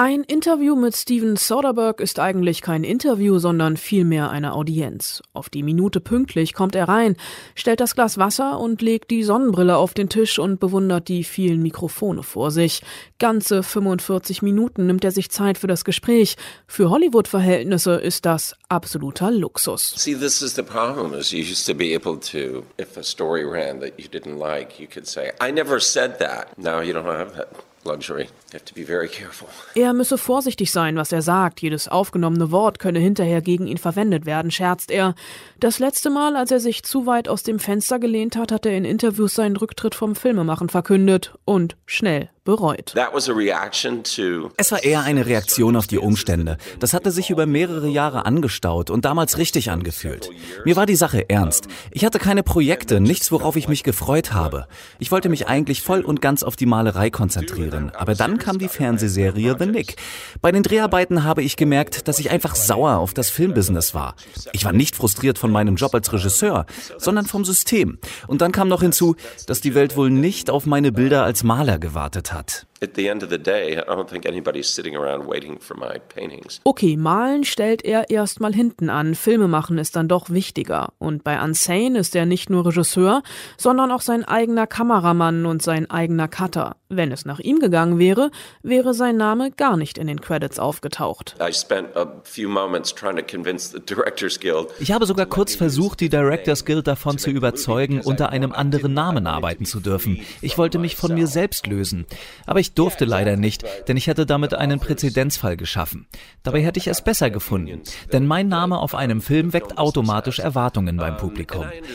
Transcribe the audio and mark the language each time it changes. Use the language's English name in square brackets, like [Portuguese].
[German] Ein Interview mit Steven Soderbergh ist eigentlich kein Interview, sondern vielmehr eine Audienz. Auf die Minute pünktlich kommt er rein, stellt das Glas Wasser und legt die Sonnenbrille auf den Tisch und bewundert die vielen Mikrofone vor sich. Ganze 45 Minuten nimmt er sich Zeit für das Gespräch. Für Hollywood-Verhältnisse ist das absoluter Luxus. [English] See, this is the problem, is you used to be able to, if a story ran that you didn't like, you could say, I never said that. Now you don't have that luxury. You have to be very careful. [German] Er müsse vorsichtig sein, was er sagt. Jedes aufgenommene Wort könne hinterher gegen ihn verwendet werden, scherzt er. Das letzte Mal, als er sich zu weit aus dem Fenster gelehnt hat, hat er in Interviews seinen Rücktritt vom Filmemachen verkündet und schnell bereut. [English] That was a reaction to. [German] Es war eher eine Reaktion auf die Umstände. Das hatte sich über mehrere Jahre angestaut und damals richtig angefühlt. Mir war die Sache ernst. Ich hatte keine Projekte, nichts, worauf ich mich gefreut habe. Ich wollte mich eigentlich voll und ganz auf die Malerei konzentrieren. Aber dann kam die Fernsehserie The Nick. Bei den Dreharbeiten habe ich gemerkt, dass ich einfach sauer auf das Filmbusiness war. Ich war nicht frustriert von meinem Job als Regisseur, sondern vom System. Und dann kam noch hinzu, dass die Welt wohl nicht auf meine Bilder als Maler gewartet hat. [English] At the end of the day, I don't think anybody's sitting around waiting for my paintings. [German] Okay, malen stellt er erstmal hinten an. Filme machen ist dann doch wichtiger. Und bei Unsane ist er nicht nur Regisseur, sondern auch sein eigener Kameramann und sein eigener Cutter. Wenn es nach ihm gegangen wäre, wäre sein Name gar nicht in den Credits aufgetaucht. [English] I spent a few moments trying to convince the Directors Guild. [German] Ich habe sogar kurz versucht, die Directors Guild davon zu überzeugen, unter einem anderen Namen arbeiten zu dürfen. Ich wollte mich von mir selbst lösen. Aber ich durfte leider nicht, denn ich hätte damit einen Präzedenzfall geschaffen. Dabei hätte ich es besser gefunden, denn mein Name auf einem Film weckt automatisch Erwartungen beim Publikum.